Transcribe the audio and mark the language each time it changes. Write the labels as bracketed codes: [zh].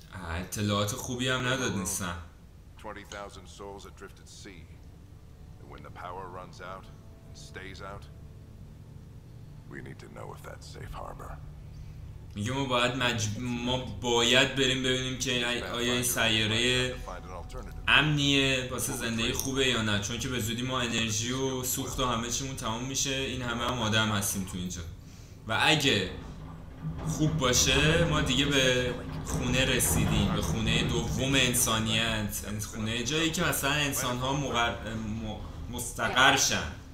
[fa] اطلاعات خوبی هم نداد نیستم. [en] 20,000 souls adrift at sea. When the power runs out and stays out, we need to know if that's safe harbor. [fa] میگه ما باید ما باید بریم ببینیم که آیا این سیاره امنیه واسه زندگی خوبه یا نه، چون که به زودی ما انرژی و سوخت و همه چیمون تمام میشه. این همه هم آدم هستیم تو اینجا و اگه خوب باشه ما دیگه به خونه رسیدیم، به خونه دوم انسانیت، خونه جایی که مثلا انسان ها مستقرشن.